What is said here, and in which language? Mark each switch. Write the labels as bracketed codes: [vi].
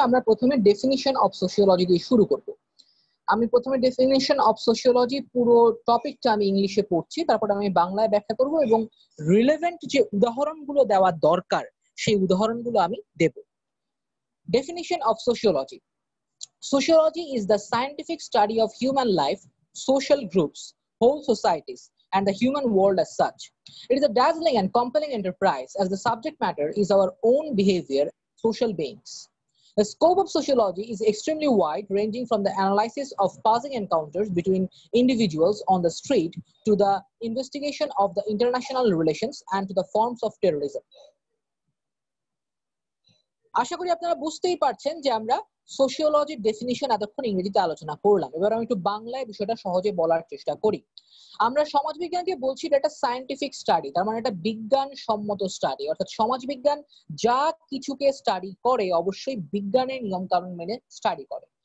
[bn] আমরা প্রথমে definition of sociology দিয়ে শুরু করব। আমি প্রথমে ডেফিনিশন অফ সোশিওলজি পুরো টপিকটা আমি ইংলিশে পড়ছি, তারপর আমি বাংলায় ব্যাখ্যা করব এবং রিলেভেন্ট যে উদাহরণগুলো দেওয়া দরকার সেই উদাহরণগুলো আমি দেব। [en] Definition of sociology: sociology is the scientific study of human life, social groups, whole societies and the human world as such. It is a dazzling and compelling enterprise as the subject matter is our own behavior, social beings. The scope of sociology is extremely wide, ranging from the analysis of passing encounters between individuals on the street to the investigation of the international relations and to the forms of terrorism. [bn] আশা করি আপনারা বুঝতেই পারছেন যে আমরা সোশিওলজির definition এতক্ষণ ইংরেজিতে আলোচনা করলাম। এবার আমি একটু বাংলায় বিষয়টা সহজে বলার চেষ্টা করি। আমরা সমাজবিজ্ঞান দিয়ে বলছি এটা একটা সায়েন্টিফিক স্টাডি, তার মানে এটা বিজ্ঞান সম্মত স্টাডি। অর্থাৎ সমাজবিজ্ঞান যা কিছুকে স্টাডি করে অবশ্যই বিজ্ঞানের নিয়ম কানুন মেনে স্টাডি করে।